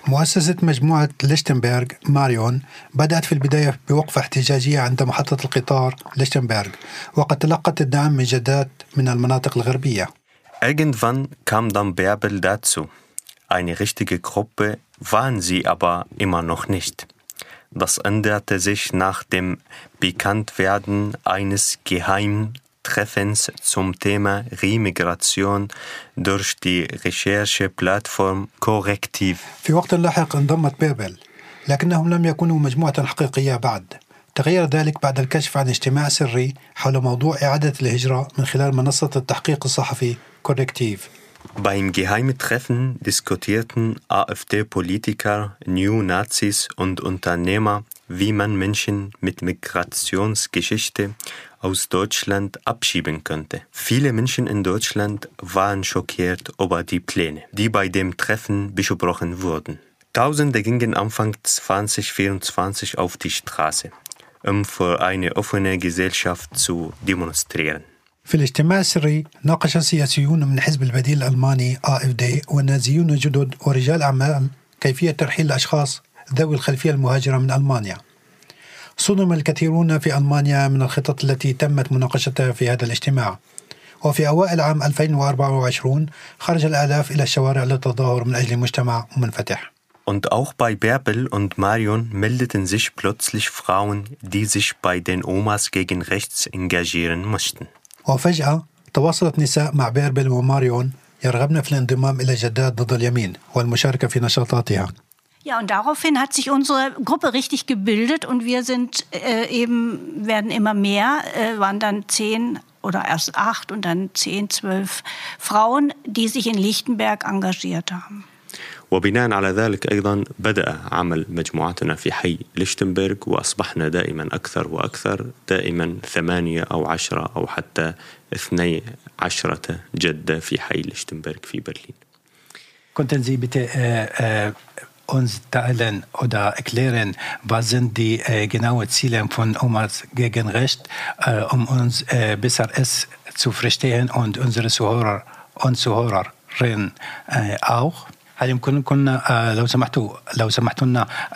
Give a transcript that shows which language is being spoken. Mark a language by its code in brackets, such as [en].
[ar] مؤسسة مجموعة ليشتنبرغ ماريون بدأت في البداية بوقفة احتجاجية عند محطة القطار ليشتنبرغ وقد تلقت الدعم من جدات من المناطق الغربية. [de] Irgendwann kam dann Bärbel dazu. Eine richtige Gruppe waren sie aber immer noch nicht. Das änderte sich nach dem Bekanntwerden eines geheimen Treffens zum Thema Remigration durch die Rechercheplattform Korrektiv. [ar] في وقت لاحق انضمت بيربل، لكنهم لم يكونوا مجموعة حقيقية بعد. تغير ذلك بعد الكشف عن اجتماع سري حول موضوع إعادة الهجرة من خلال منصة التحقيق الصحفي Korrektiv. [de] Beim geheimen Treffen diskutierten AfD-Politiker, Neonazis und Unternehmer, wie man Menschen mit Migrationsgeschichte aus Deutschland abschieben könnte. Viele Menschen in Deutschland waren schockiert über die Pläne, die bei dem Treffen besprochen wurden. Tausende gingen Anfang 2024 auf die Straße, um für eine offene Gesellschaft zu demonstrieren. [ar] في الاجتماع السري ناقش السياسيون من حزب البديل الألماني AfD والنازيون الجدد ورجال أعمال كيفية ترحيل الأشخاص ذوي الخلفية المهاجرة من ألمانيا. صدم الكثيرون في ألمانيا من الخطط التي تمت مناقشتها في هذا الاجتماع. وفي أوائل عام 2024 خرج الآلاف إلى الشوارع للتظاهر من أجل مجتمع منفتح. [de] Und auch bei Bärbel und Marion meldeten sich plötzlich Frauen, die sich bei den Omas gegen rechts engagieren mussten. [ar] وفجأة تواصلت نساء مع بيربل وماريون يرغبن في الانضمام إلى جدات ضد اليمين والمشاركة في نشاطاتها. [de] Ja, und daraufhin hat sich unsere Gruppe richtig gebildet und wir sind eben werden immer mehr, waren dann 10 oder erst 8 und dann 10, 12 Frauen, die sich in Lichtenberg engagiert haben. [ar] وبناء على ذلك أيضا بدأ عمل مجموعتنا في حي ليشتنبرغ وأصبحنا دائما أكثر وأكثر، دائما 8 أو 10 أو حتى 12 جدة في حي ليشتنبرغ في برلين. [de] Könnten Sie bitte uns teilen oder erklären, was sind die genauen Ziele von Omas gegen Rechts, um uns besser es zu verstehen und unsere Zuhörer und Zuhörerinnen auch؟ [ar] هل يمكنكم لو سمحتوا لنا